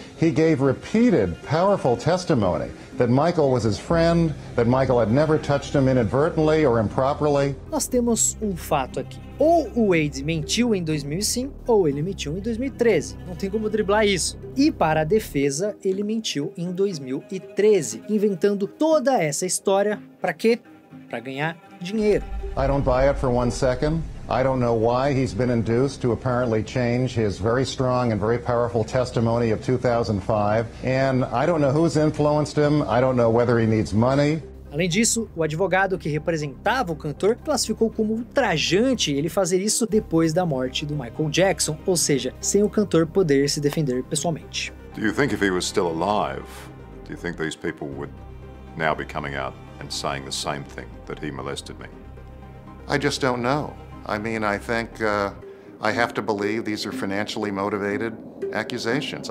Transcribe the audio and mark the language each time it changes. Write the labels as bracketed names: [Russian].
[English] He gave repeated, powerful testimony that Michael was his friend, that Michael had never touched him inadvertently or improperly. [Portuguese] Nós temos fato aqui. Ou o Wade mentiu em 2005, ou ele mentiu em 2013. Não tem como driblar isso. E para a defesa, ele mentiu em 2013, inventando toda essa história para quê? Para ganhar dinheiro. [English] I don't buy it for one second. I don't know why he's been induced to apparently change his very strong and very powerful testimony of 2005. And I don't know who's influenced him. I don't know whether he needs money. [Portuguese] Além disso, o advogado que representava o cantor classificou como ultrajante ele fazer isso depois da morte do Michael Jackson, ou seja, sem o cantor poder se defender pessoalmente. [English] Do you think if he was still alive, do you think these people would now be coming out and saying the same thing, that he molested me? I just don't know. I mean, I think I have to believe these are financially motivated accusations.